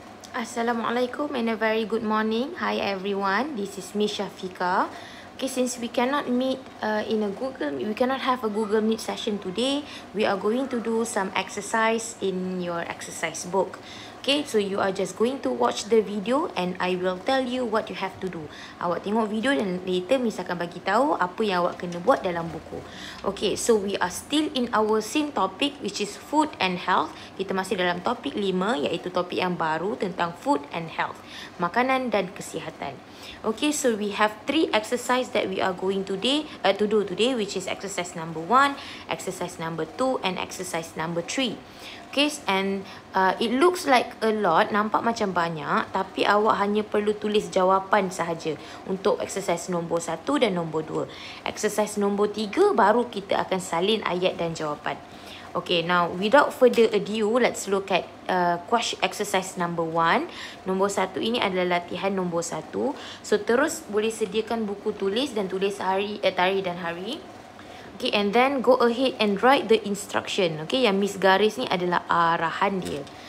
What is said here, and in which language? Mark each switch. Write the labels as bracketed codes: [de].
[en] Assalamualaikum and a very good morning. Hi everyone, this is Miss Shafika. Okay, since we cannot meet we cannot have a Google Meet session today, we are going to do some exercise in your exercise book. Okay, so you are just going to watch the video and I will tell you what you have to do. [ms] Awak tengok video dan later Miss akan bagi tahu apa yang awak kena buat dalam buku. [en] Okay, so we are still in our same topic which is food and health. [ms] Kita masih dalam topik 5 iaitu topik yang baru tentang [en] food and health. [ms] Makanan dan kesihatan. [en] Okay, so we have 3 exercise that we are going to do today which is exercise number 1, exercise number 2 and exercise number 3. [ms] Okay, [en] and it looks like a lot, [ms] nampak macam banyak, tapi awak hanya perlu tulis jawapan sahaja untuk exercise nombor 1 dan nombor 2. Exercise nombor 3 baru kita akan salin ayat dan jawapan. [en] Okay, now without further ado, let's look at exercise number 1. [ms] Nombor 1 ini adalah latihan nombor 1. So terus boleh sediakan buku tulis dan tulis hari, tarikh dan hari. [en] Okay, and then go ahead and write the instruction. [ms] Okay, yang Miss Garis ni adalah arahan dia.